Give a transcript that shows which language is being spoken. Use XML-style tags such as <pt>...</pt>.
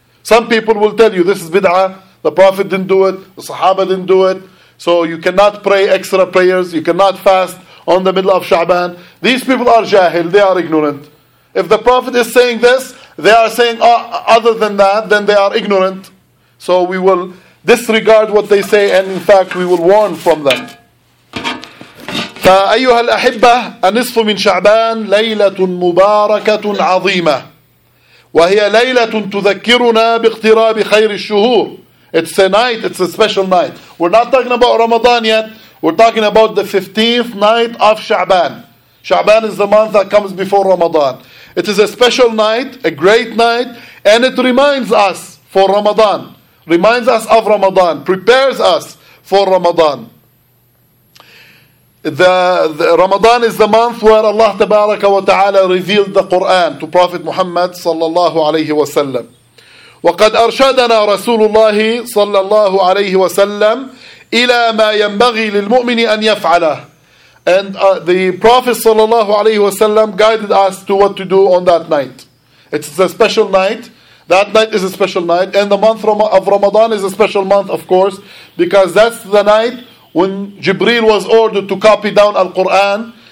<en>Some people will tell you this is bid'ah, the Prophet didn't do it, the Sahaba didn't do it, so you cannot pray extra prayers, you cannot fast on the middle of Sha'ban. These people are jahil, they are ignorant. If the Prophet is saying this, they are saying other than that, then they are ignorant. So we will disregard what they say, and in fact we will warn from them.</en> <ar>فأيها الأحبة النصف من شعبان ليلة مباركة عظيمة وهي ليلة تذكرنا باقتراب خير الشهور.</ar> <en>It's a night, it's a special night. We're not talking about Ramadan yet. We're talking about the 15th night of Sha'ban. Sha'ban is the month that comes before Ramadan. It is a special night, a great night, and it reminds us for Ramadan. Reminds us of Ramadan, prepares us for Ramadan. The Ramadan is the month where Allah Tabaraka wa Ta'ala revealed the Quran to Prophet Muhammad sallallahu alayhi wa sallam.</en> <ar>وقد أرشدنا رسول الله صلى الله عليه وسلم إلى ما ينبغي للمؤمن أن يفعله.</ar> <en>And the Prophet صلى الله عليه وسلم guided us to what to do on that night. It's a special night. That night is a special night. And the month of Ramadan is a special month, of course, because that's the night when Jibreel was ordered to copy down Al-Quran.</en>